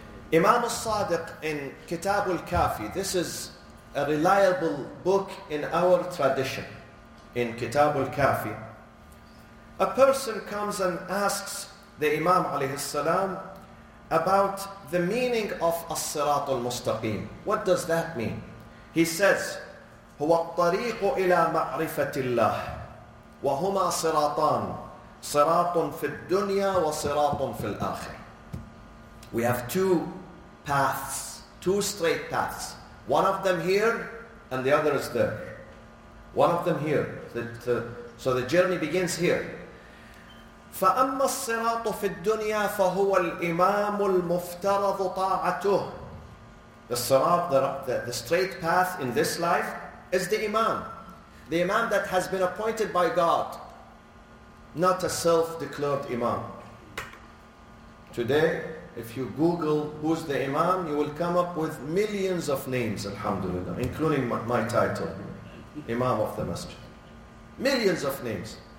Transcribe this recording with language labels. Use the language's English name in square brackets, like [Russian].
[English] Imam al-Sadiq in Kitab al-Kafi, this is a reliable book in our tradition, in Kitab al-Kafi, a person comes and asks the Imam alayhi salam about the meaning of As-Sirat al-Mustaqim. What does that mean? He says, [Arabic] هو الطريق إلى معرفة الله وهما صراطان صراط في الدنيا وصراط في الآخر. [English] We have two paths, two straight paths. One of them here and the other is there. One of them here. So the journey begins here. [Arabic] فأما الصراط في الدنيا فهو الإمام المفترض طاعته. [English] The straight path in this life is the Imam that has been appointed by God, not a self-declared Imam. Today, if you Google who's the Imam, you will come up with millions of names, alhamdulillah, including my title, Imam of the Masjid. Millions of names.